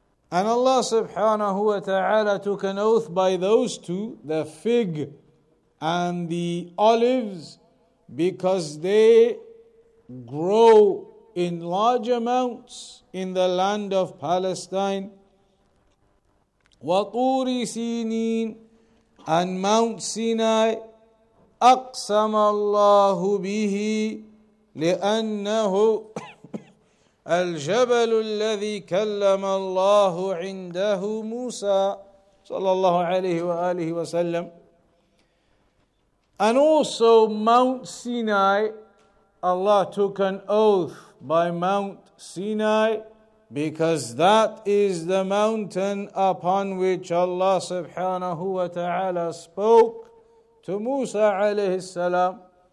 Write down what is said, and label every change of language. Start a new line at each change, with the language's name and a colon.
English: And Allah subhanahu wa ta'ala took an oath by those two, the fig and the olives, because they grow in large amounts in the land of Palestine.
Arabic: وَطُورِ سِينِينَ
English: and Mount Sinai,
Arabic: أَقْسَمَ اللَّهُ بِهِ لِأَنَّهُ الجبل الذي كلم الله عنده موسى صلى الله عليه وآله وسلم.
English: And also Mount Sinai, Allah took an oath by Mount Sinai, because that is the mountain upon which Allah subhanahu wa ta'ala spoke to Musa
Arabic: عليه السلام.